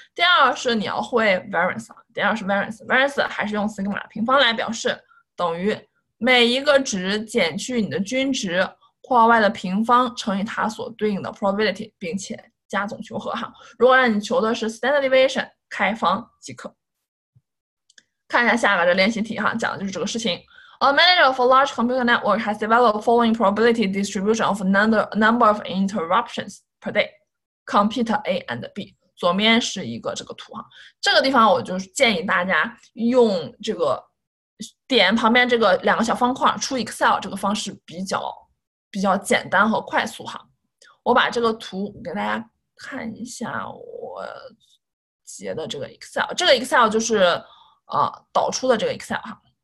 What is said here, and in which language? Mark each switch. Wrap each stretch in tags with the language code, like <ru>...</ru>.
<zh>第二是你要会 variance， 第二是 variance 还是用 sigma 平方来表示，等于每一个值减去你的均值括号外的平方乘以它所对应的 probability， 并且加总求和哈。如果让你求的是 standard deviation， 开方即可。看一下下面的练习题哈，讲的就是这个事情。</zh> <en>A manager of a large computer network has developed the following probability distribution of number of interruptions per day. Computer A and B.</en> <zh>左面是一个这个图哈，这个地方我就建议大家用这个点旁边这个两个小方块出 Excel 这个方式比较简单和快速哈。我把这个图给大家看一下，我截的这个 Excel， 这个 Excel 就是导出的这个 Excel 哈。</zh>